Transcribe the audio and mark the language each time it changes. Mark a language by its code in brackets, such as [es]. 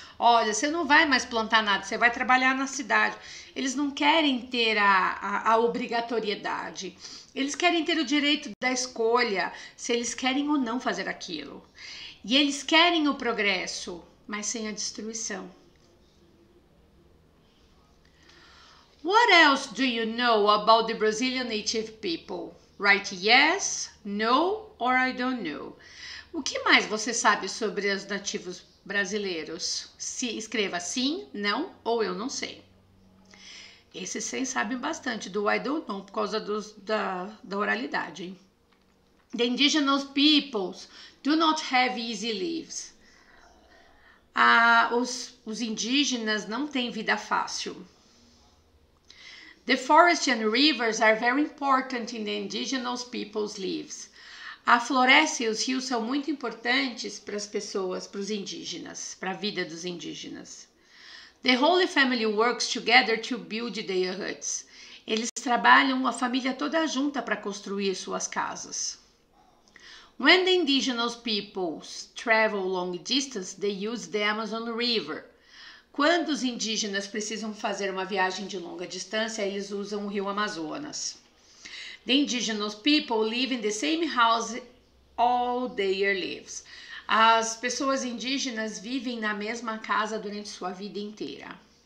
[pt] Olha, você não vai mais plantar nada, você vai trabalhar na cidade. Eles não querem ter a obrigatoriedade. Eles querem ter o direito da escolha, se eles querem ou não fazer aquilo. E eles querem o progresso, mas sem a destruição. [en] What else do you know about the Brazilian native people? Write yes, no, or I don't know. [pt] O que mais você sabe sobre os nativos brasileiros? Se escreva sim, não, ou eu não sei. Esses 100 sabem bastante do [en] I don't know, [pt] por causa da oralidade, hein? [en] The indigenous peoples do not have easy lives. [pt] Os indígenas não têm vida fácil. [en] The forests and rivers are very important in the indigenous peoples' lives. [pt] A floresta e os rios são muito importantes para as pessoas, para os indígenas, para a vida dos indígenas. [en] The Holy Family works together to build their huts. [pt] Eles trabalham a família toda junta para construir suas casas. [en] When the indigenous peoples travel long distance, they use the Amazon River. [pt] Quando os indígenas precisam fazer uma viagem de longa distância, eles usam o rio Amazonas. [en] The indigenous people live in the same house all their lives. [pt] As pessoas indígenas vivem na mesma casa durante sua vida inteira.